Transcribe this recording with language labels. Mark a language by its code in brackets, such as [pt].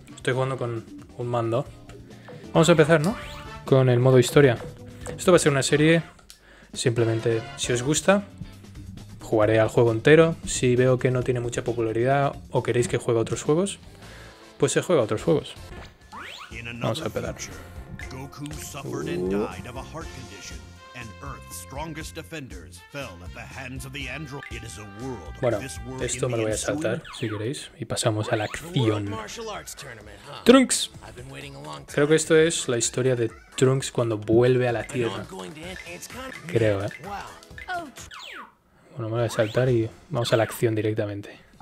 [es] Estoy jugando con un mando. Vamos a empezar, ¿no? Con el modo historia. Esto va a ser una serie... Simplemente, si os gusta, jugaré al juego entero. Si veo que no tiene mucha popularidad o queréis que juegue a otros juegos, pues se juega a otros juegos. Vamos a empezar. [en] Goku suffered and died of a heart condition, and Earth's strongest defenders fell at the hands of the android. It is a world. [es] Bueno, esto me lo voy a saltar, si queréis, y pasamos a la acción. Trunks. Creo que esto es la historia de Trunks cuando vuelve a la Tierra. Creo, Bueno, me lo voy a saltar y vamos a la acción directamente.